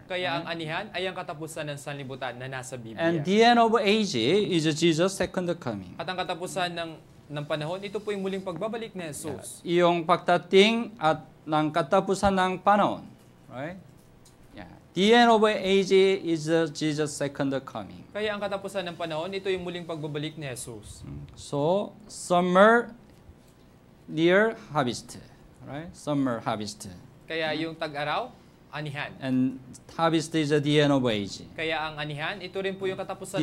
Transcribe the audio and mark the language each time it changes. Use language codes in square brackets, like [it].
[tl] Kaya ang anihan ay ang katapusan ng sanlibutan na nasa Biblia. [en] And the end of age is Jesus' second coming. [tl] At ang katapusan ng ng panahon, ito po yung muling pagbabalik ni Jesus. [en] Yeah. [tl] Iyong pagdating at ng katapusan ng panahon. [en] Right? Yeah. The end of age is Jesus' second coming. [tl] Kaya ang katapusan ng panahon, ito yung muling pagbabalik ni Jesus. [en] So, summer near harvest. Right? Summer harvest. [tl] Kaya yung tag-araw, anihan. [en] And harvest is the end of age. [tl] Kaya ang anihan, ito rin po yung katapusan